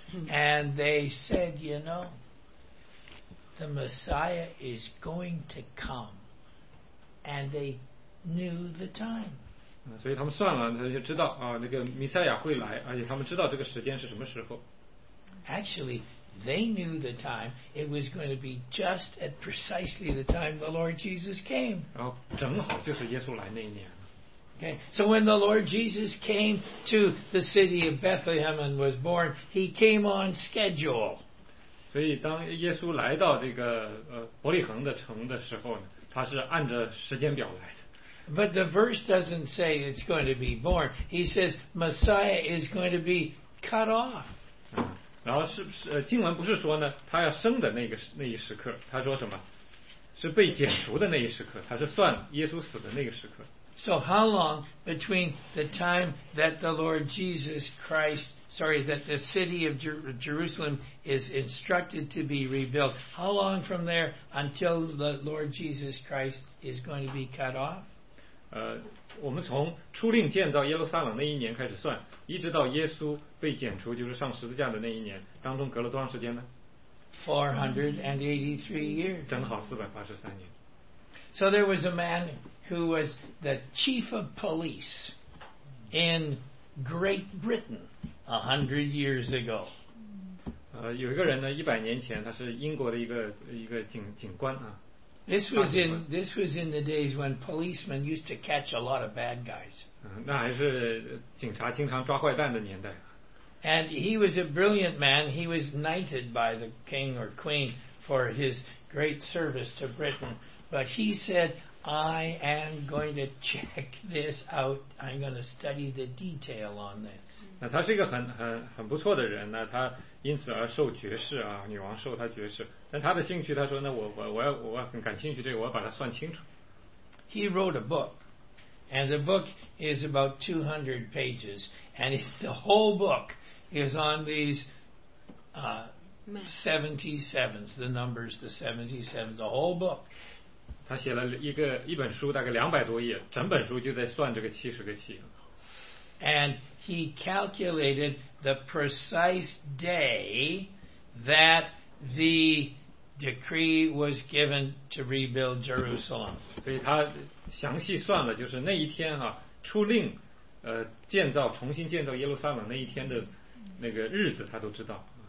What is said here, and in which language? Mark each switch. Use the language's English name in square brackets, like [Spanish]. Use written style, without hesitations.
[English] And they said, you know, the Messiah is going to come. And they knew the time. [Chinese] 所以他们算了，他就知道啊，那个弥赛亚会来，而且他们知道这个时间是什么时候。 [English] Actually, they knew the time. It was going to be just at precisely the time the Lord Jesus came. [Chinese] 然后正好就是耶稣来那一年。 [English] Okay, so when the Lord Jesus came to the city of Bethlehem and was born, he came on schedule. [Chinese] 所以当耶稣来到这个伯利恒的城的时候呢，他是按着时间表来的。 [English] But the verse doesn't say it's going to be born. He says Messiah is going to be cut off. [Chinese] 然后是经文不是说呢，他要生的那一时刻，他说什么？是被剪除的那一时刻，他是算耶稣死的那个时刻。 [English] So how long between the time that the Lord Jesus Christ, sorry, that the city of Jerusalem is instructed to be rebuilt, how long from there until the Lord Jesus Christ is going to be cut off? [Chinese] 我们从出令建造耶路撒冷那一年开始算，一直到耶稣被剪除，就是上十字架的那一年，当中隔了多长时间呢？ [English] 483 years. [Chinese] 正好483年。 [English] So there was a man who was the chief of police in Great Britain 100 years ago. [Chinese] 有一个人呢，一百年前他是英国的一个警官啊。 [English] This was in the days when policemen used to catch a lot of bad guys. [Chinese] 那还是警察经常抓坏蛋的年代。 [English] And he was a brilliant man. He was knighted by the king or queen for his great service to Britain. But he said, I am going to check this out. I'm going to study the detail on this. [Chinese] 那他是一个很不错的人，那他因此而受爵士啊，女王授他爵士。但他的兴趣，他说呢，我很感兴趣这个，我要把它算清楚。 [English] He wrote a book, and the book is about 200 pages, and the whole book is on these 77s, the numbers, the 77s, the whole book. [Chinese] 他写了一本书，大概200多页，整本书就在算这个70个7。 [English] And he calculated the precise day that the decree was given to rebuild Jerusalem. [Chinese] 所以他详细算了，就是那一天啊，出令，建造重新建造耶路撒冷那一天的那个日子，他都知道。